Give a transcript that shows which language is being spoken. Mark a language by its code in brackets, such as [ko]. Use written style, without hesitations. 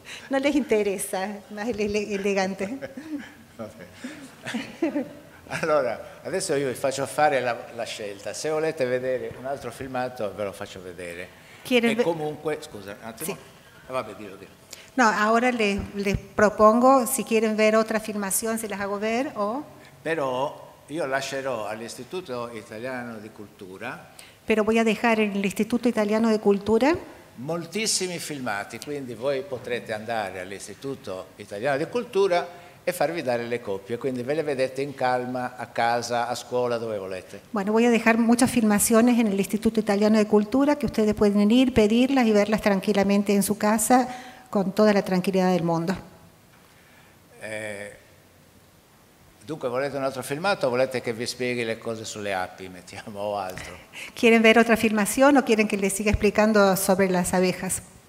[es] No les interesa, más elegante. [it] Allora, adesso io vi faccio fare la scelta. Se volete vedere un altro filmato, ve lo faccio vedere. Scusa un attimo. Sí. Vabbè, dillo. [es] No, ahora le propongo, si quieren ver otra filmación, se las hago ver o. [it] Però io lascerò all'Istituto Italiano di Cultura. [es] Pero voy a dejar en el Instituto Italiano de Cultura [it] moltissimi filmati, quindi voi potrete andare all'Istituto Italiano di Cultura e farvi dare le copie, quindi ve le vedete in calma, a casa, a scuola, dove volete. [es] Bueno, voy a dejar muchas filmaciones en el Instituto Italiano de Cultura que ustedes pueden ir, pedirlas y verlas tranquilamente en su casa con toda la tranquilidad del mundo. [it] Dunque, volete un altro filmato o volete che vi spieghi le cose sulle api, mettiamo, o altro? [es] ¿Quieren ver otra filmación o quieren que les siga explicando sobre las abejas?